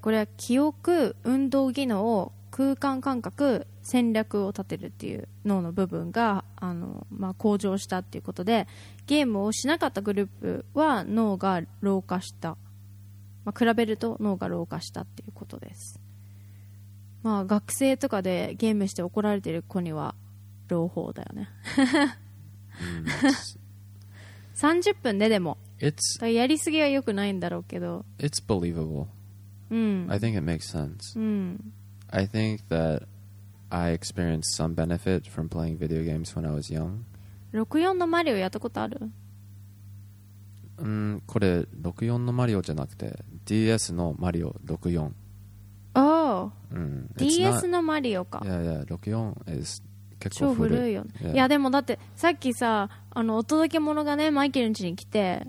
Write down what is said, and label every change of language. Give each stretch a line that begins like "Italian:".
Japanese: これは記憶、運動技能、空間感覚、戦略を立てるっていう脳の部分が向上したっていうことで、ゲームをしなかったグループは脳が老化した、比べると脳が老化したっていうことです。学生とかでゲームして怒られてる子には朗報だよね。 30分ででも。やりすぎは良くないんだろうけど。
English: It's believable. I think it makes sense. I think that I experienced some benefit from playing video games when I was young.
Japanese: 64のマリオやったことある？これ64のマリオじゃなくて DS のマリオ64。 Oh. DS のマリオか。いやいや、64 is 結構古い。超古いよ。いやでもだってさっきさ、お届け物がね、マイケルの家に来て。